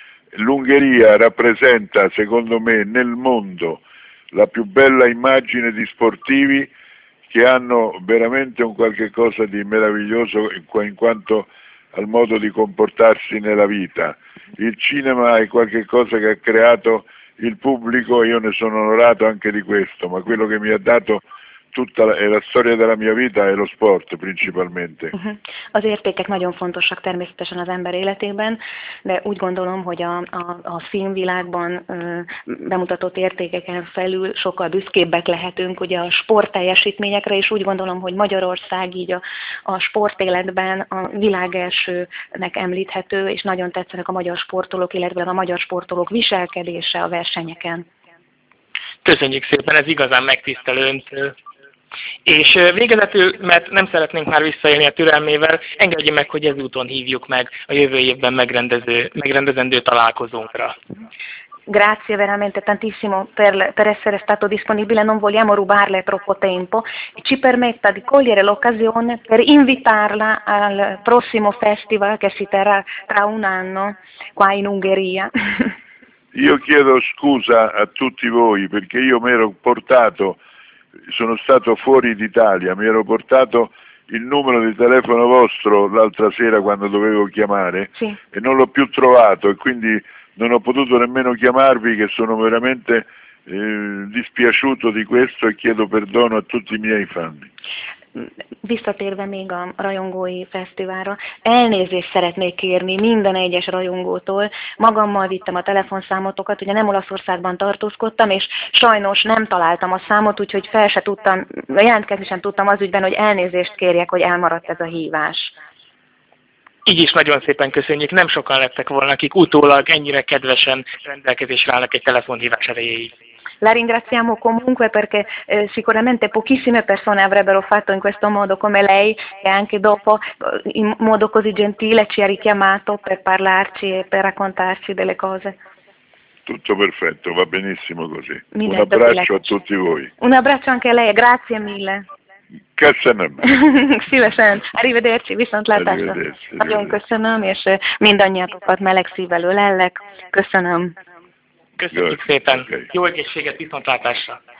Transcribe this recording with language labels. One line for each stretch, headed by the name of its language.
Italian: L'Ungheria rappresenta, secondo me, nel mondo la più bella immagine di sportivi che hanno veramente un qualche cosa di meraviglioso in quanto al modo di comportarsi nella vita. Il cinema è qualche cosa che ha creato il pubblico, io ne sono onorato anche di questo, ma quello che mi ha dato tutta la storia della mia vita e lo sport principalmente.
Hungarian: Az értékek nagyon fontosak természetesen az ember életében, de úgy gondolom, hogy a filmvilágban bemutatott értékeken felül sokkal büszkébbek lehetünk ugye a sport teljesítményekre, és úgy gondolom, hogy Magyarország így a sportéletben a világ elsőnek említhető, és nagyon tetszenek a magyar sportolók, illetve a magyar sportolók viselkedése a versenyeken. Köszönjük szépen, ez igazán megtisztelő öntől. És végezetül, mert nem szeretnénk már visszaélni a türelmével, engedje meg, hogy ezúton hívjuk meg a jövő évben megrendezendő találkozónkra.
Italian: Grazie veramente tantissimo per essere stato disponibile, non vogliamo rubarle troppo tempo. Ci permetta di cogliere l'occasione per invitarla al prossimo festival che si terrà tra un anno qua in Ungheria. Io chiedo scusa a tutti voi perché io mi ero portato, sono stato fuori d'Italia, mi ero portato il numero di telefono vostro l'altra sera quando dovevo chiamare, sì, e non l'ho più trovato e quindi non ho potuto nemmeno chiamarvi, che sono veramente dispiaciuto di questo e chiedo perdono a tutti i miei fan.
Hungarian: Visszatérve még a rajongói fesztiválra, elnézést szeretnék kérni minden egyes rajongótól. Magammal vittem a telefonszámotokat, ugye nem Olaszországban tartózkodtam, és sajnos nem találtam a számot, úgyhogy jelentkezni sem tudtam az ügyben, hogy elnézést kérjek, hogy elmaradt ez a hívás. Így is nagyon szépen köszönjük, nem sokan lettek volna, akik utólag ennyire kedvesen rendelkezésre állnak egy telefonhívás erejéig.
Italian: La ringraziamo comunque perché sicuramente pochissime persone avrebbero fatto in questo modo come lei e anche dopo in modo così gentile ci ha richiamato per parlarci e per raccontarci delle cose. Tutto perfetto, va benissimo così. Un abbraccio a tutti voi. Un abbraccio anche a lei, grazie mille.
Hungarian: Köszönöm.
Italian: Arrivederci,
Hungarian: viszontlátásra. Nagyon köszönöm, és mindannyiatokat meleg szívvel ölellek. Köszönöm. Köszönjük szépen. Okay. Jó egészséget, viszontlátásra.